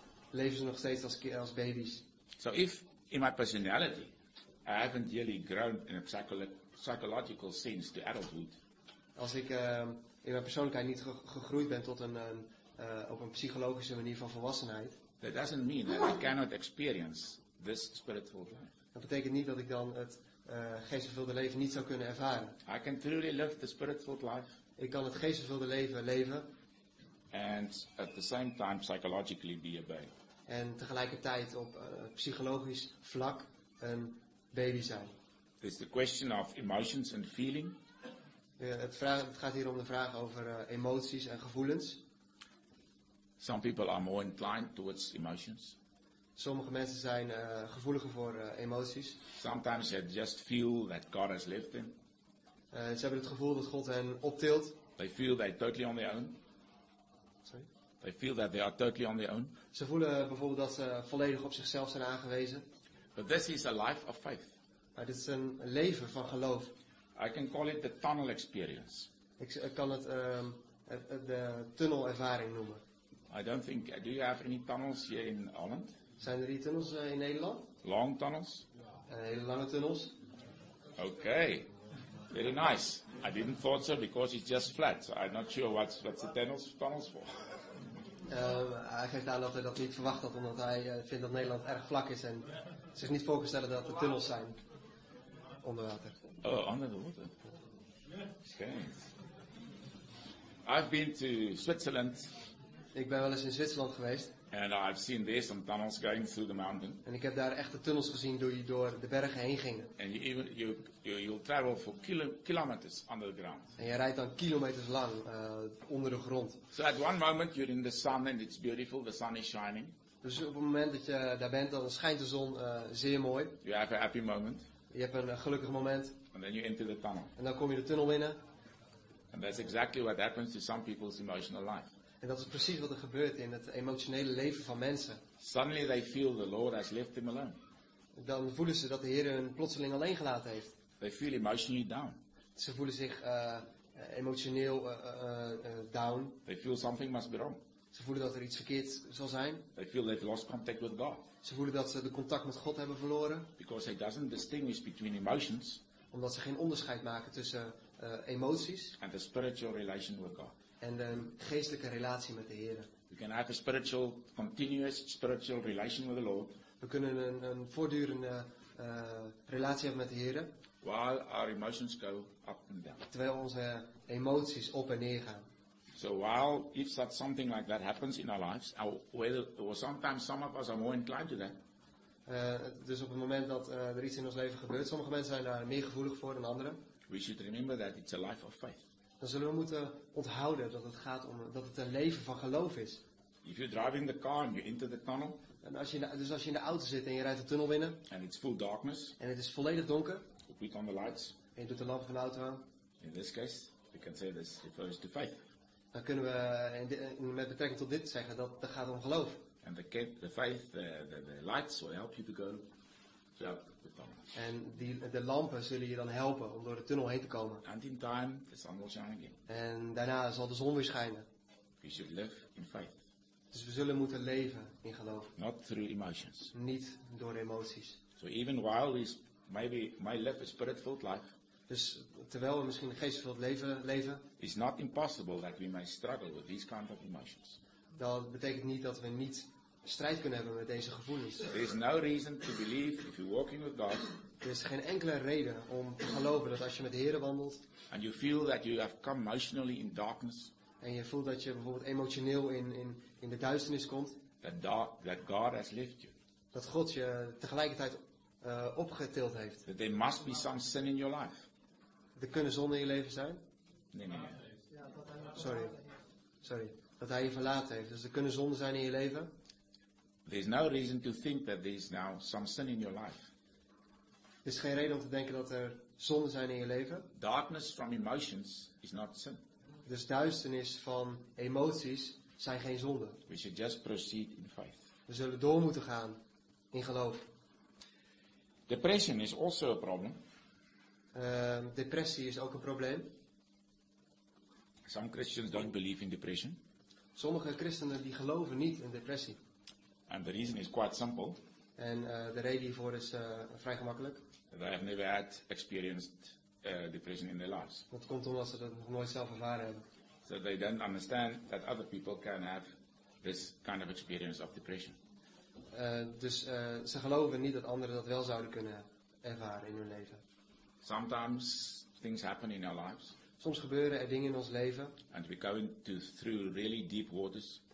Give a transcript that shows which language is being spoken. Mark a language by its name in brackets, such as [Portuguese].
[Dutch] Leven ze nog steeds als baby's. [English] So if in my personality I haven't really grown in a psychological sense to adulthood. [Dutch] Als ik in mijn persoonlijkheid niet gegroeid ben tot op een psychologische manier van volwassenheid. [English] That doesn't mean that I cannot experience this spiritual life. [Dutch] Dat betekent niet dat ik dan het geestvervulde leven niet zou kunnen ervaren. [English] I can truly live the spiritual life. [Dutch] Ik kan het geestvervulde leven leven. [English] And at the same time psychologically be a baby. [Dutch] En tegelijkertijd op psychologisch vlak een baby zijn. [English] It's the question of emotions and feeling. [Dutch] Het gaat hier om de vraag over emoties en gevoelens. [English] Some people are more inclined towards emotions. [Dutch] Sommige mensen zijn gevoeliger voor emoties. [English] Sometimes they just feel that God has left them. [Dutch] Ze hebben het gevoel dat God hen optilt. [English] They feel they're totally on their own. Sorry? They feel that they are totally on their own. [Dutch] Ze voelen bijvoorbeeld dat ze volledig op zichzelf zijn aangewezen. [English] But this is a life of faith. [Dutch] Maar dit is een leven van geloof. [English] I can call it the tunnel experience. [Dutch] Ik kan het de tunnelervaring noemen. [English] I don't think, do you have any tunnels here in Holland? [Dutch] Zijn er die tunnels in Nederland? [English] Long tunnels? [Dutch] Hele lange tunnels. [English] Okay, very nice. I didn't thought so because it's just flat. So I'm not sure what's the tunnels for. [Dutch] Hij geeft aan dat hij dat niet verwacht had, omdat hij vindt dat Nederland erg vlak is en zich niet voorstellen dat er tunnels zijn onder water. Oh, onder de water. Okay. [English] I've been to Switzerland. [Dutch] Ik ben wel eens in Zwitserland geweest. [English] And I've seen there some tunnels going through the mountain. [Dutch] En ik heb daar echte tunnels gezien die door de bergen heen gingen. [English] And you'll travel for kilometers under the ground. [Dutch] En je rijdt dan kilometers lang onder de grond. [English] So at one moment you're in the sun and it's beautiful, the sun is shining. [Dutch] Dus op het moment dat je daar bent, dan schijnt de zon zeer mooi. [English] You have a happy moment. [Dutch] Je hebt een gelukkig moment. [English] And then you enter the tunnel. [Dutch] En dan kom je de tunnel binnen. [English] And that's exactly what happens to some people's emotional life. [Dutch] En dat is precies wat er gebeurt in het emotionele leven van mensen. [English] Suddenly they feel the Lord has left them alone. [Dutch] Dan voelen ze dat de Heer hen plotseling alleen gelaten heeft. [English] They feel emotionally down. [Dutch] Ze voelen zich emotioneel down. [English] They feel something must be wrong. [Dutch] Ze voelen dat er iets verkeerd zal zijn. [English] They feel they've lost contact with God. [Dutch] Ze voelen dat ze de contact met God hebben verloren. [English] Because he doesn't distinguish between emotions. [Dutch] Omdat ze geen onderscheid maken tussen emoties. [English] And the spiritual relation with God. [Dutch] en de geestelijke relatie met de Heer. [English] We can have a spiritual, continuous spiritual relation with the Lord. [Dutch] We kunnen een voortdurende relatie hebben met de Heer. [English] While our emotions go up and down. [Dutch] Terwijl onze emoties op en neer gaan. [English] So while if that something like that happens in our lives, or sometimes some of us are more inclined to that. [Dutch] Dus op het moment dat er iets in ons leven gebeurt, sommige mensen zijn daar meer gevoelig voor dan anderen. [English] We should remember that it's a life of faith. [Dutch] Dan zullen we moeten onthouden dat het gaat om dat het een leven van geloof is. [English] If you're driving the car and you enter the tunnel. [Dutch] En als je als je in de auto zit en je rijdt de tunnel binnen. [English] And it's full darkness. [Dutch] En het is volledig donker. [English] You put on the lights. [Dutch] En je doet de lampen van de auto aan. [English] In this case, we can say this refers to faith. [Dutch] Dan kunnen we met betrekking tot dit zeggen dat het gaat om geloof. [English] And the faith, the lights will help you to go through the tunnel. [Dutch] En de lampen zullen je dan helpen om door de tunnel heen te komen. [English] And in time, the sun will shine again. [Dutch] En daarna zal de zon weer schijnen. [English] We should live in faith. [Dutch] Dus we zullen moeten leven in geloof. [English] Not through emotions. [Dutch] Niet door emoties. [English] So even while we maybe my life is spirit-filled life. [Dutch] Dus terwijl we misschien een geestvervuld leven. [English] It's not impossible that we may struggle with these kind of emotions. [Dutch] Dat betekent niet dat we niet strijd kunnen hebben met deze gevoelens. [English] There is no reason to believe if you're walking with God. [Dutch] Er is geen enkele reden om te geloven dat als je met de Heer wandelt. [English] And you feel that you have come emotionally in darkness. [Dutch] En je voelt dat je bijvoorbeeld emotioneel in de duisternis komt. [English] That God has left you. [Dutch] Dat God je tegelijkertijd opgetild heeft. [English] That there must be some sin in your life. [Dutch] Er kunnen zonden in je leven zijn. Nee. Sorry. Dat hij je verlaten heeft. Dus er kunnen zonden zijn in je leven. [English] There's no reason to think that there's now some sin in your life. [Dutch] Er is geen reden om te denken dat er zonden zijn in je leven. [English] Darkness from emotions is not sin. [Dutch] Dus duisternis van emoties zijn geen zonden. [English] We should just proceed in faith. [Dutch] We zullen door moeten gaan in geloof. [English] Depression is also a problem. [Dutch] Depressie is ook een probleem. [English] Some Christians don't believe in depression. [Dutch] Sommige christenen die geloven niet in depressie. [English] And the reason is quite simple. [Dutch] En de reden hiervoor is vrij gemakkelijk. [English] They have never had experienced depression in their lives. [Dutch] Dat komt omdat ze dat nog nooit zelf ervaren hebben. [English] So they don't understand that other people can have this kind of experience of depression. [Dutch] Dus ze geloven niet dat anderen dat wel zouden kunnen ervaren in hun leven. [English] Sometimes things happen in our lives. [Dutch] Soms gebeuren er dingen in ons leven. [English] And we go into through really deep waters.